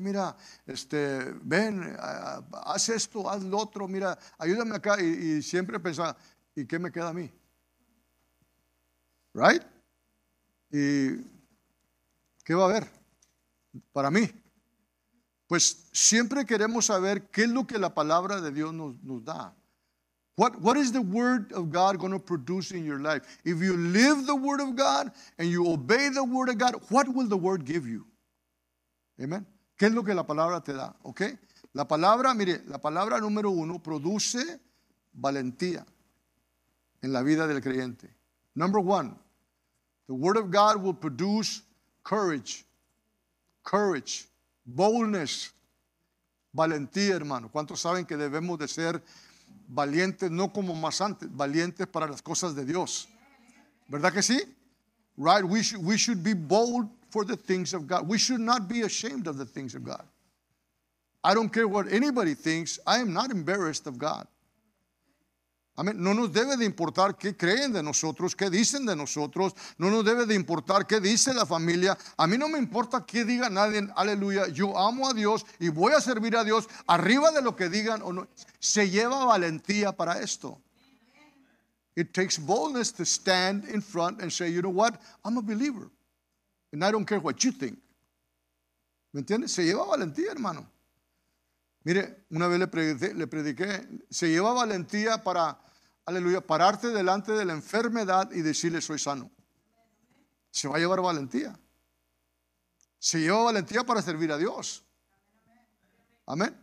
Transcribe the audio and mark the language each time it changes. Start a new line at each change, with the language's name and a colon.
Spanish: Mira, ven, haz esto, haz lo otro, mira, ayúdame acá. Y siempre pensaba, ¿y qué me queda a mí? ¿Right? ¿Y qué va a haber para mí? Pues siempre queremos saber qué es lo que la palabra de Dios nos da.
English: What is the word of God going to produce in your life? If you live the word of God and you obey the word of God, what will the word give you? Amen.
Spanish: ¿Qué es lo que la palabra te da? Okay. La palabra, mire, la palabra número uno produce valentía en la vida del creyente.
English: Number one, the word of God will produce courage, boldness,
Spanish: valentía, hermano. ¿Cuántos saben que debemos de ser valientes, no como más antes, valientes para las cosas de Dios? ¿Verdad que sí?
English: Right, we should be bold for the things of God. We should not be ashamed of the things of God. I don't care what anybody thinks, I am not embarrassed of God.
Spanish: Amén. No nos debe de importar qué creen de nosotros, qué dicen de nosotros. No nos debe de importar qué dice la familia. A mí no me importa qué diga nadie. Aleluya, yo amo a Dios y voy a servir a Dios arriba de lo que digan o no. Se lleva valentía para esto.
English: It takes boldness to stand in front and say, you know what, I'm a believer and I don't care what you think.
Spanish: ¿Me entiendes? Se lleva valentía, hermano. Mire, una vez le prediqué, se lleva valentía para, aleluya, pararte delante de la enfermedad y decirle soy sano. Se va a llevar valentía. Se lleva valentía para servir a Dios. Amén.